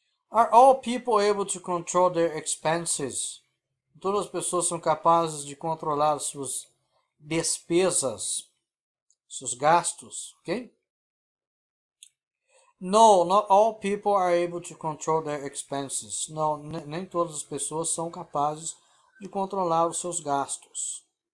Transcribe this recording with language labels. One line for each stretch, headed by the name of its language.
English: Are all people able to control their expenses?
Portuguese: Todas as pessoas são capazes de controlar suas despesas? Seus gastos, ok?
English: No, not all people are able to control their expenses.
Portuguese: Não, nem todas as pessoas são capazes de controlar os seus gastos.